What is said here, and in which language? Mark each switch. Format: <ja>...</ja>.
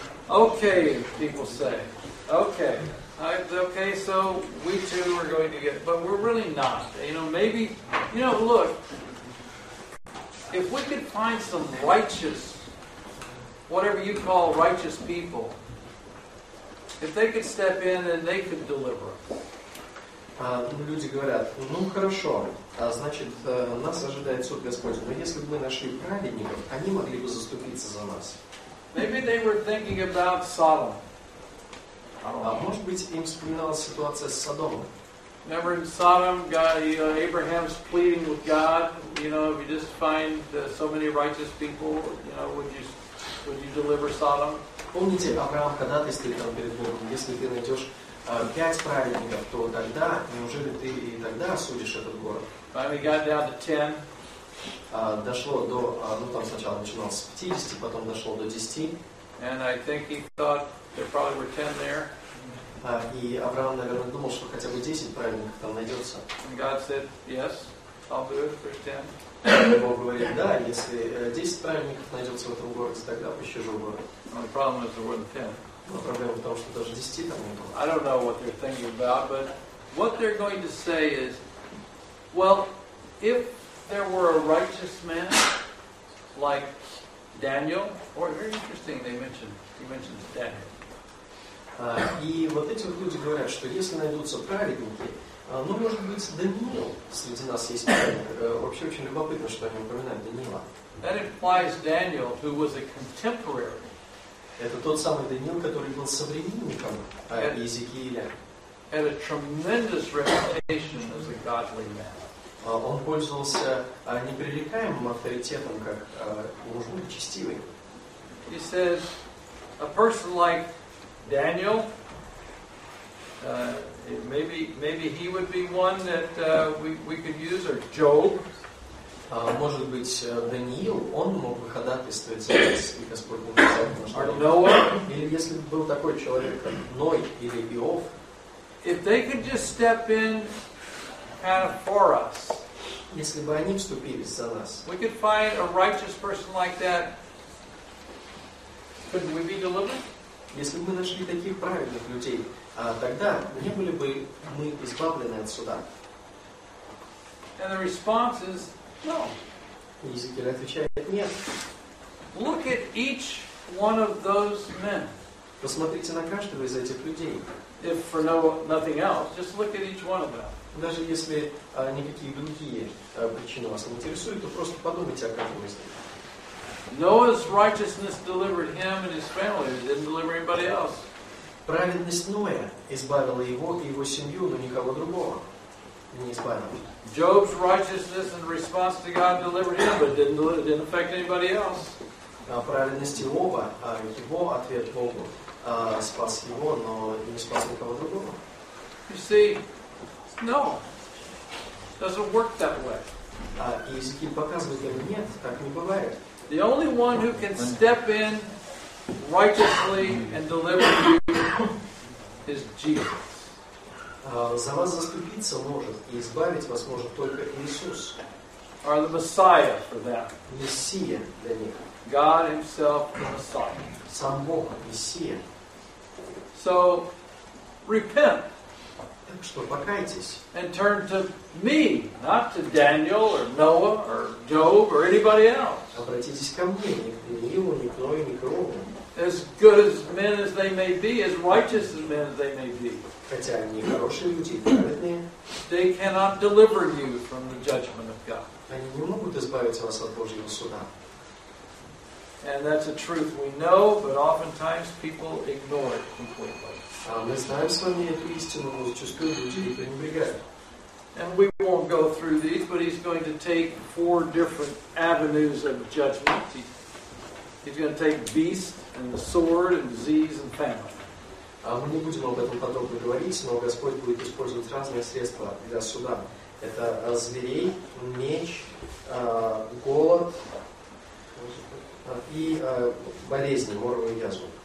<en>Okay, people say. Okay. Okay, so we too are going to get, but we're really not. You know, maybe, you know, look, if we could find some righteous, whatever you call righteous people, if they could step in and they could deliver us.</en> <ru>Люди говорят, ну хорошо, значит, нас ожидает суд Господь, но если бы мы нашли праведников, они могли бы заступиться за нас.</ru> <en>Maybe they were thinking about Sodom.</en> <ru>Может быть, им вспоминалась ситуация с Содомом.</ru> <en>Remember in Sodom, God, you know, Abraham's pleading with God, you know, if you just find so many righteous people, you know, would you deliver Sodom?</en> <ru>Помните, Авраам когда-то стоял перед Богом, если ты найдешь 5 праведников, то тогда, неужели ты и тогда осудишь этот город?</ru> <en>Finally got down to 10.</en> <ru>Дошло до, ну там сначала начиналось с 50, потом дошло до 10.</ru> <en>And I think he thought there probably were 10 there.</en> <ru>И Авраам, наверное, думал, что хотя бы 10 праведников там найдется.</ru> <en>And God said, yes, I'll do it, there's 10.</en> <ru>Бог говорит, да, если 10 праведников найдется в этом городе, тогда пощажу город.</ru> <en>And the problem is there weren't 10.</en> <ru>Но проблема в том, что даже 10 там не было.</ru> <en>I don't know what they're thinking about, but what they're going to say is, well, if there were a righteous man like Daniel, or very interesting, he mentions Daniel.</en> <ru>И вот эти люди говорят, что если найдутся праведники, ну, может быть, Даниил среди нас есть праведник. Вообще очень любопытно, что они упоминают Даниила.</ru> <en>That implies Daniel, who was a contemporary.</en> <ru>Это тот самый Даниил, который был современником Иезекииля.</ru> <en>Had a tremendous reputation as a godly man.</en> <ru>Он пользовался непререкаемым авторитетом, как муж Божий честивый.</ru> <en>He says, a person like Daniel, maybe he would be one that we could use, or Job.</en> <ru>Может быть, Даниил, он мог бы ходатайствовать за нас, и Господь бы написал, что Ноах, или если бы был такой человек, как Ной или Иов.</ru> <en>If they could just step in kind of for us.</en> <ru>Если бы они вступились за нас.</ru> <en>We could find a righteous person like that. Couldn't we be delivered?</en> <ru>Если бы мы нашли таких праведных людей, тогда не были бы мы избавлены от суда.</ru> <en>And the response is, no.</en> <ru>Иезекииль отвечает, нет.</ru> <en>Look at each one of those men.</en> <ru>Посмотрите на каждого из этих людей.</ru> <en>If for no nothing else, just look at each one of them.</en> <ru>Даже если никакие другие причины вас не интересуют, то просто подумайте о каждом из них.</ru> <en>Noah's righteousness delivered him and his family. It didn't deliver anybody else.</en> <ru>Праведность Ноя избавила его и его семью, но никого другого.</ru> <en>Job's righteousness and response to God delivered him, but didn't affect anybody else.</en> <ru>Праведность Иова, его ответ Богу, спас его, но не спас никого другого.</ru> <en>You see, no, doesn't work that way.</en> <ru>Иезекииль показывает им, нет, так не бывает.</ru> <en>The only one who can step in righteously and deliver you is Jesus.</en> <ru>За вас заступиться может и избавить вас может только Иисус.</ru> <en>Or the Messiah for them.</en> <ru>Мессия для них.</ru> <en>God himself the Messiah.</en> <ru>Сам Бог, Мессия.</ru> <en>So, repent.</en> <ru>Так что, покайтесь.</ru> <en>And turn to me, not to Daniel or Noah or Job or anybody else.</en> <ru>Обратитесь ко мне, не к Даниилу, не к Ною, не к Иову.</ru> <en>As good as men as they may be, as righteous as men as they may be.</en> <ru>Хотя они хорошие люди, праведные.</ru> <en>They cannot deliver you from the judgment of God.</en> <ru>Они не могут избавить вас от Божьего суда.</ru> <en>And that's a truth we know, but oftentimes people ignore it completely.</en> <ru>Мы знаем с вами эту истину, но зачастую люди ее пренебрегают.</ru> <en>And we won't go through these, but he's going to take 4 different avenues of judgment. He's going to take beast and the sword and disease and famine.</en> <ru>Мы не будем об этом подробно говорить, но Господь будет использовать разные средства для суда. Это зверей, меч, голод и болезни, морву и язву.</ru>